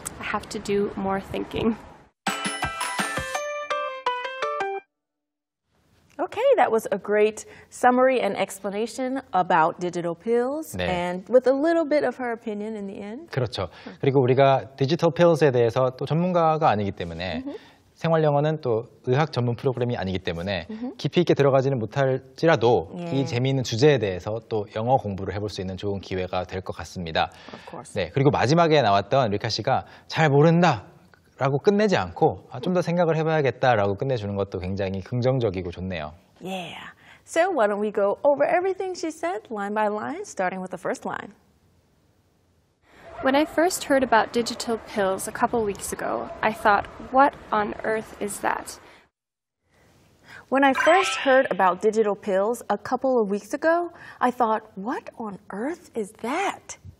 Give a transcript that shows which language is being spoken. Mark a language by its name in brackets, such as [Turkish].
[English] I have to do more thinking. Okay, that was a great summary and explanation about digital pills [Korean] 네. [English] and with a little bit of her opinion in the end. [Korean] 그렇죠. 그리고 우리가 디지털 pills에 대해서 또 전문가가 아니기 때문에 mm-hmm. 생활 영어는 또 의학 전문 프로그램이 아니기 때문에 mm-hmm. 깊이 있게 들어가지는 못할지라도 [English] yeah. [Korean] 이 재미있는 주제에 대해서 또 영어 공부를 해볼 수 있는 좋은 기회가 될 것 같습니다. [English] Of course. [Korean] 네, 그리고 마지막에 나왔던 리카 씨가 잘 모른다. 라고 끝내지 않고 아, 좀 더 생각을 해봐야겠다라고 끝내주는 것도 굉장히 긍정적이고 좋네요. [English] Yeah. So why don't we go over everything she said line by line, starting with the first line. When I first heard about digital pills a couple weeks ago, I thought, what on earth is that? When I first heard about digital pills a couple of weeks ago, I thought, what on earth is that?